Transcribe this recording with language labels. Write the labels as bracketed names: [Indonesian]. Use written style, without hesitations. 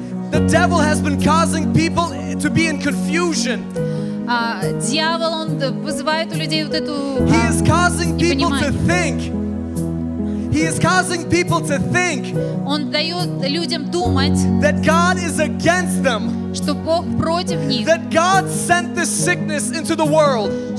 [English] The devil has been causing people to be in confusion. [Russian] Дьявол он вызывает у людей вот эту. [English] He is causing people to think. He is causing people to think. [Russian] Он дает людям думать. [English] That God is against them. [Russian] Что Бог против них. [English] That God sent this sickness into the world.